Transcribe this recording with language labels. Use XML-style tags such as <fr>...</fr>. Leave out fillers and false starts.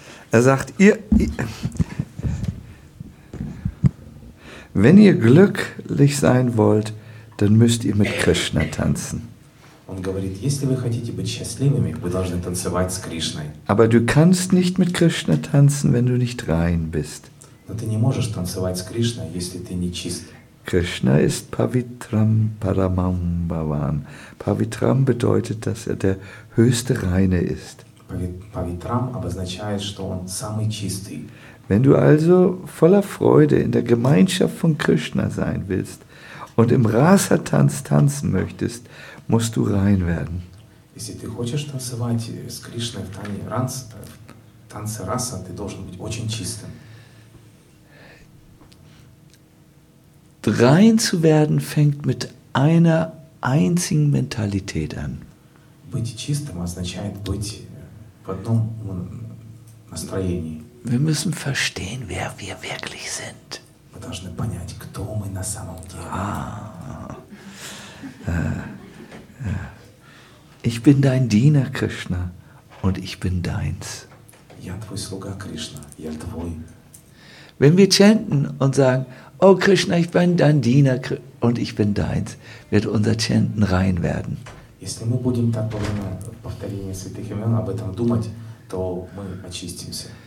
<de>Er sagt, wenn ihr glücklich sein wollt, dann müsst ihr mit Krishna tanzen.</de> <ru>Он говорит, если вы хотите быть счастливыми, вы должны танцевать с Кришной.</ru> <de>Aber du kannst nicht mit Krishna tanzen, wenn du nicht rein bist.</de> <ru>Но ты не можешь танцевать с Кришной, если ты не чист.</ru> <de>Krishna ist Pavitram Paramam Bhavan. Pavitram bedeutet, dass er der höchste Reine ist.</de> <ru>Pavitram обозначает, что он самый чистый.</ru> <de>Wenn du also voller Freude in der Gemeinschaft von Krishna sein willst und im Rasa-Tanz tanzen möchtest, musst du rein werden.</de> <ru>Если ты хочешь танцевать с Кришной в танце раса, ты должен быть очень чистым.</ru> <de>Rein zu werden fängt mit einer einzigen Mentalität an.</de> <ru>Быть чистым означает быть в одном настроении.</ru> <de>Wir müssen verstehen, wer wir wirklich sind.</de> <ru>Мы должны понять, кто мы на самом деле.</ru> <de>Ich bin dein Diener, Krishna, und ich bin deins.</de> <ru>Я твой слуга, Кришна, я твой.</ru> <de>Wenn wir chanten und sagen, oh Krishna, ich bin dein Diener und ich bin deins, wird unser Chanten rein werden.</de> <ru>Если мы будем так во время повторения святых имен об этом думать, то мы очистимся.</ru>